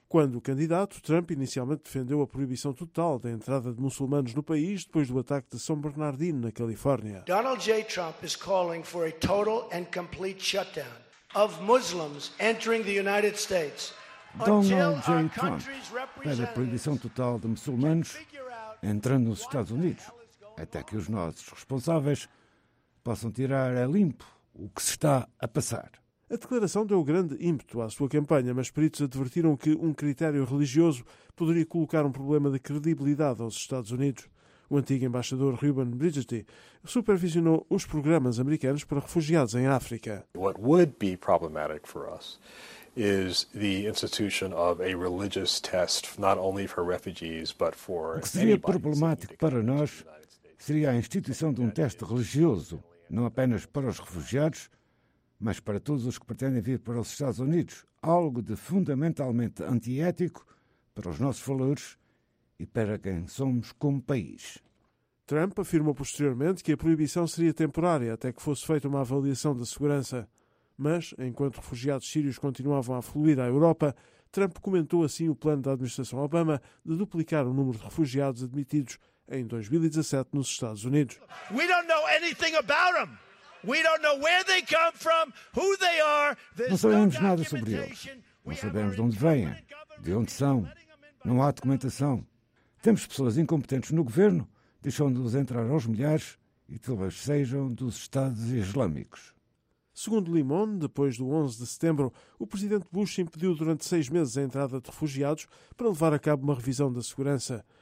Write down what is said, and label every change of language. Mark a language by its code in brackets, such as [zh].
[pt] Quando candidato, Trump inicialmente defendeu a proibição total da entrada de muçulmanos no país depois do ataque de São Bernardino, na Califórnia. [en] Donald J. Trump is calling for a total and complete shutdown of Muslims entering the United States. [pt] Donald J. Trump pede a proibição total de muçulmanos entrando nos Estados Unidos, até que os nossos responsáveis possam tirar a limpo o que se está a passar. A declaração deu grande ímpeto à sua campanha, mas peritos advertiram que um critério religioso poderia colocar um problema de credibilidade aos Estados Unidos. O antigo embaixador Ruben Brigetti supervisionou os programas americanos para refugiados em África. [en] What would be problematic for us is the institution of a religious test, not only for refugees, but for anybody. [pt] O que seria problemático para nós seria a instituição de um teste religioso, não apenas para os refugiados, mas para todos os que pretendem vir para os Estados Unidos, algo de fundamentalmente antiético para os nossos valores e para quem somos como país. Trump afirmou posteriormente que a proibição seria temporária até que fosse feita uma avaliação da segurança. Mas, enquanto refugiados sírios continuavam a fluir à Europa, Trump comentou assim o plano da administração Obama de duplicar o número de refugiados admitidos em 2017 nos Estados Unidos. [en] We don't know anything about them. We don't know where they come from, who they are. [pt] Não sabemos nada sobre eles. Não sabemos de onde vêm, de onde são. Não há documentação. Temos pessoas incompetentes no governo, deixando-os entrar aos milhares e talvez sejam dos Estados Islâmicos. Segundo Limon, depois do 11 de setembro, o presidente Bush impediu durante 6 meses a entrada de refugiados para levar a cabo uma revisão da segurança.